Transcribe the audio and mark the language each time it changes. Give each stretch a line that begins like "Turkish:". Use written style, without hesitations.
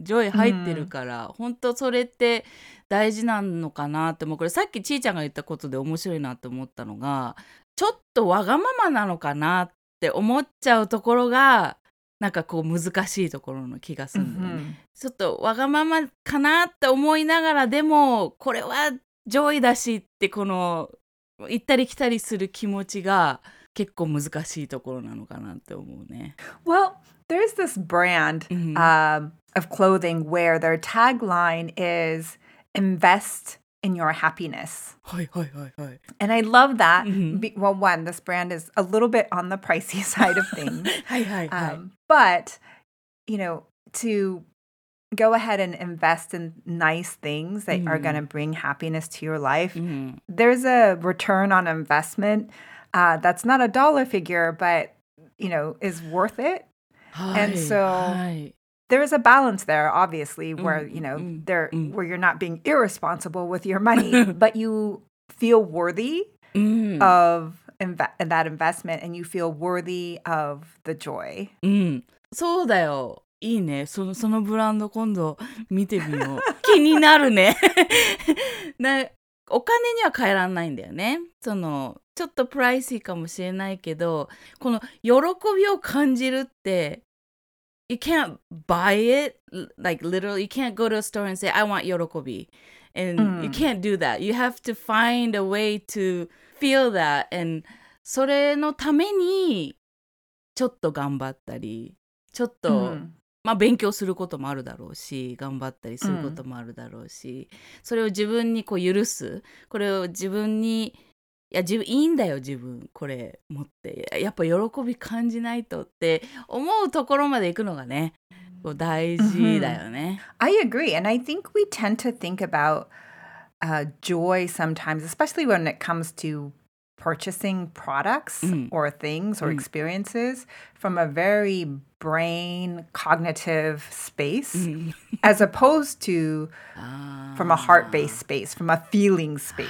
Japanese: Joy 入ってるから、本当それって大事なのかなって。もうこれさっきちーちゃんが言ったことで面白いなって思ったのが、ちょっとわがままなのかなってって思っちゃうところがなんかこう難しいところの気がするんだよね、mm-hmm. ちょっとわがままかなって思いながら、でもこれは上位だしってこの行ったり来たりする気持ちが結構難しいところなのかなって思うね。
English: Well, there's this brand、mm-hmm. Of clothing where their tagline is Invest in your happiness. And I love that. Mm-hmm. Well, one, this brand is a little bit on the pricey side of things. But, you know, to go ahead and invest in nice things that mm-hmm. are going to bring happiness to your life, mm-hmm. there's a return on investment that's not a dollar figure, but, you know, is worth it. And so... There is a balance there, obviously, where, you know, there where you're not being irresponsible with your money, but you feel worthy of that investment and you feel worthy of the joy.
Japanese: そうだよ。いいね。そのブランド今度見てみよう。気になるね。な、お金には変えらんないんだよね。その、ちょっとプライシーかもしれないけど、この喜びを感じるって、
English: You can't buy it, like literally, you can't go to a store and say, I want yorokobi. And you can't do that. You have to find a way to feel that.
Japanese: And それのためにちょっと頑張ったり、ちょっと、まあ勉強することもあるだろうし、頑張ったりすることもあるだろうし、それを自分にこう許す、これを自分に、いや自分いいんだよ自分これ持ってやっぱ喜び感じないとって思うところまで行くのがね大事だよね、 mm-hmm.
English: I agree and I think we tend to think about joy sometimes especially when it comes to purchasing products or things or experiences from a very brain cognitive space as opposed to from a heart-based space, from a feeling space.